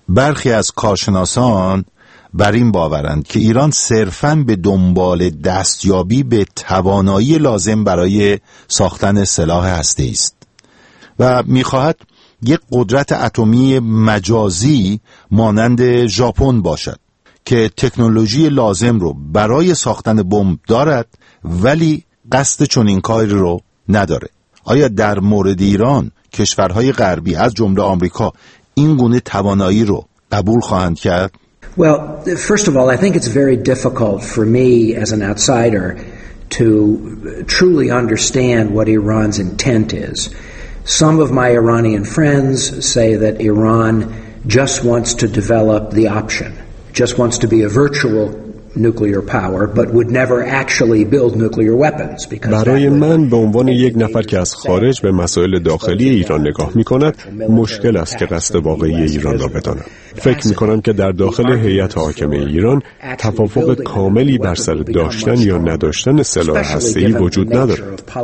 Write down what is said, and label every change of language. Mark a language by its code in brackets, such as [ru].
[fa] برخی از کارشناسان بر این باورند که ایران صرفاً به دنبال دستیابی به توانایی لازم برای ساختن سلاح هسته‌ای است و می‌خواهد یک قدرت اتمی مجازی مانند ژاپن باشد که تکنولوژی لازم رو برای ساختن بمب دارد ولی قصد چنین کاری رو نداره. آیا در مورد ایران کشورهای غربی از جمله آمریکا این گونه توانایی رو قبول خواهند کرد؟ [en] Well, first of all, I think it's very difficult for me as an outsider to truly understand what Iran's intent is. Some of my Iranian friends say that Iran just wants to develop the option. Just wants to be a virtual nuclear power, but would never actually build nuclear weapons. [fa] برای من به عنوان یک نفر که از خارج به مسائل داخلی ایران نگاه می‌کند، مشکل است که قصد واقعی ایران را بدانم. فکر می‌کنم که در داخل هیئت حاکمه ایران توافق کاملی بر سر داشتن یا نداشتن سلاح هسته‌ای وجود ندارد.